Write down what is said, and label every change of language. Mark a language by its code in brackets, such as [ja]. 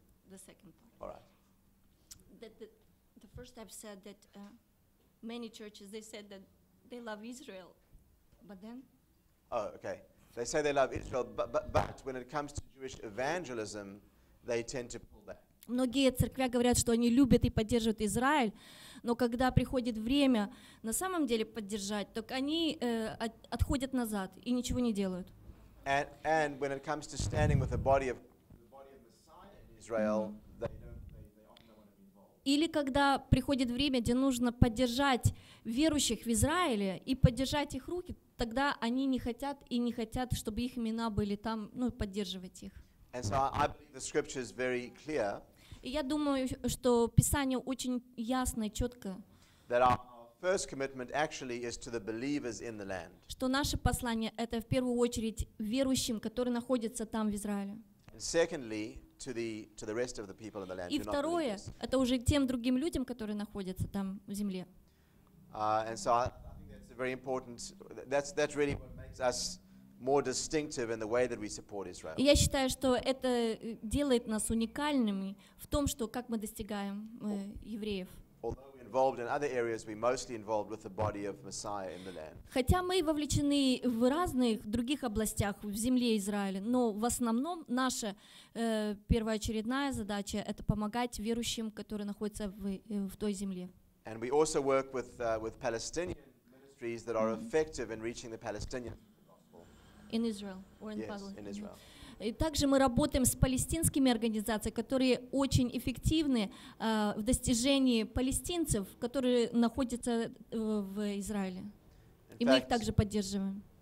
[en] The second part. All right. The first I've said that many churches, they said that they love Israel, but then? Oh, okay. They say they love Israel, but when it comes to Jewish evangelism, they tend to pull back. [ru] Многие церкви говорят, что они любят и поддерживают Израиль, но когда приходит время на самом деле поддержать, так они отходят назад и ничего не делают. [en] And when it comes to standing with the body of Messiah in Israel, [ru] Или когда приходит время, где нужно поддержать верующих в Израиле и поддержать их руки, тогда они не хотят, чтобы их имена были там, ну, поддерживать их. [en] And so I believe the scripture is very clear. [ru] И я думаю, что Писание очень ясно и четко. [en] That our first commitment actually is to the believers in the land. [ru] Что наше послание это в первую очередь верующим, которые находятся там в Израиле. [en] And secondly, to the rest of the people in the land. [ru] И второе, это уже тем другим людям, которые находятся там в земле. [en] And so I think that's very important. That's really what makes us more distinctive in the way that we support Israel. [ru] Я считаю, что это делает нас уникальными в том, что как мы достигаем евреев. [en] Although we're involved in other areas, we're mostly involved with the body of Messiah in the land. [ru] Хотя мы вовлечены в разных других областях в земле Израиля, но в основном наша первоочередная задача это помогать верующим, которые находятся в той земле. [en] And we also work with Palestinian ministries ministries that are effective in reaching the Palestinian in Israel or in Palestine. Yes, in Israel. [ru] И также мы работаем с палестинскими организациями, которые очень эффективны в достижении палестинцев, которые находятся в Израиле. И мы их также поддерживаем.